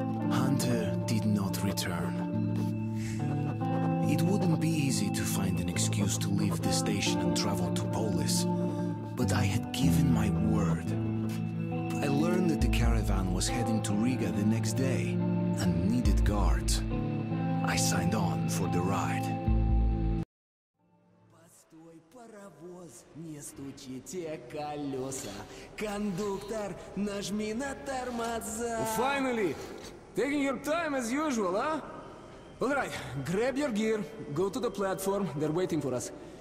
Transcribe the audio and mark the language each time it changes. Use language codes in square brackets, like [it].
[en] Hunter did not return. It wouldn't be easy to find an excuse to leave the station and travel to Polis, but I had given my word. I learned that the caravan was heading to Riga the next day and needed guards. I signed on for the ride. [ru] Постой, паровоз, не стучите колеса. Кондуктор, нажми на тормоза. [en] Finally! Taking your time as usual, huh? Alright, grab your gear, go to the platform, they're waiting for us.